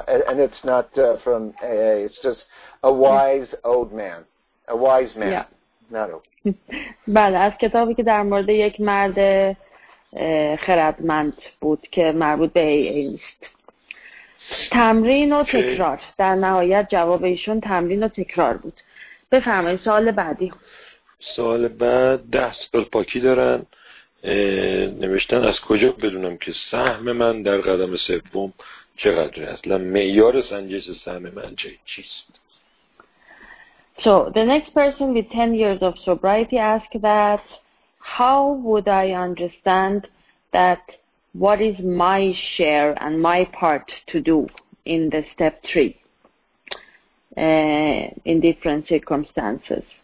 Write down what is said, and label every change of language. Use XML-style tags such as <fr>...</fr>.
<en>And it's not from AA. It's just a wise old man. A wise man. Yeah.</en> <fa>بله، از کتابی که در مورد یک مرد خردمند بود که مربوط به ای ایست. تمرین و تکرار، در نهایت جواب ایشون تمرین و تکرار بود. بفرمایید سوال بعدی. سوال بعد، 10 سال پاکی دارن، نوشتن از کجا بدونم که سهم من در قدم سوم چقدره؟ اصلا معیار سنجش سهم من چیست؟</fa> <en>So the next person with 10 years of sobriety asked that, how would I understand that what is my share and my part to do in the step 3 in different circumstances?</en>